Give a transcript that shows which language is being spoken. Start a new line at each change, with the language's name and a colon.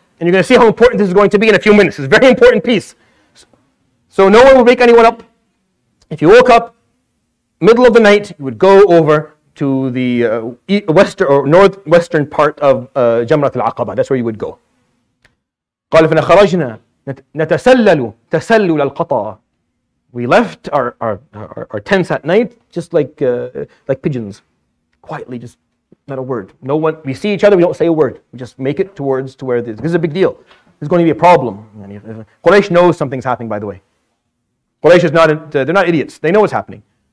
English: And you're going to see how important this is going to be in a few minutes. It's a very important piece. So no one would wake anyone up. If you woke up middle of the night, you would go over to the western or northwestern part of Jamrat al-Aqaba. That's where you would go.
Arabic: قال فنا خرجنا نتسلل تسلل القطا.
English: We left our tents at night, just like pigeons, quietly, just not a word. No one. We see each other. We don't say a word. We just make it towards to where this. This is a big deal. This is going to be a problem. Quraysh knows something's happening. By the way, Quraysh is not. They're not idiots. They know what's happening.